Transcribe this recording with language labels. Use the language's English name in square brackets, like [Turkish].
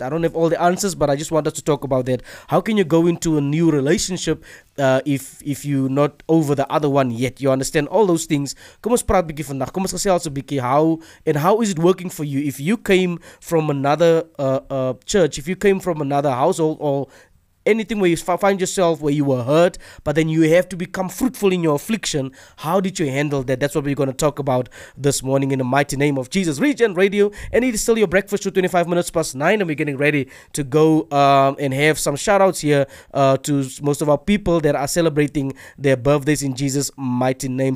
[English] I don't have all the answers, but I just wanted to talk about that. How can you go into a new relationship if you're not over the other one yet? You understand all those things. [Afrikaans] Kom ons praat 'n bietjie vandag. Kom ons gesels 'n bietjie. [English] How is it working for you? If you came from another church, if you came from another household, or anything where you find yourself where you were hurt, but then you have to become fruitful in your affliction. How did you handle that? That's what we're going to talk about this morning in the mighty name of Jesus. Regen Radio, and it is still your breakfast to 25 minutes past 9, and we're getting ready to go and have some shout outs here to most of our people that are celebrating their birthdays in Jesus' mighty name.